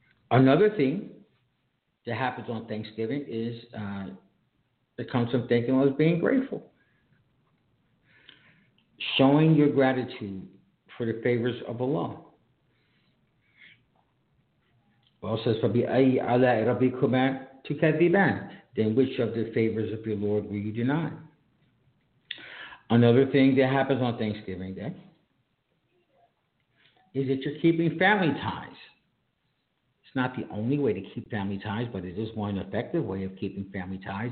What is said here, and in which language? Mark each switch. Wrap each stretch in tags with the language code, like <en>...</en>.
<en>Another thing that happens on Thanksgiving is it comes from thinking of being grateful. Showing your gratitude for the favors of Allah. Well, it says,</en> <ar>فَبِأَيِّ عَلَىٰ رَبِّكُمَا تُكَذِّبَانِ.</ar> <en>Then which of the favors of your Lord will you deny? Another thing that happens on Thanksgiving Day is that you're keeping family ties. Not the only way to keep family ties, but it is one effective way of keeping family ties.</en>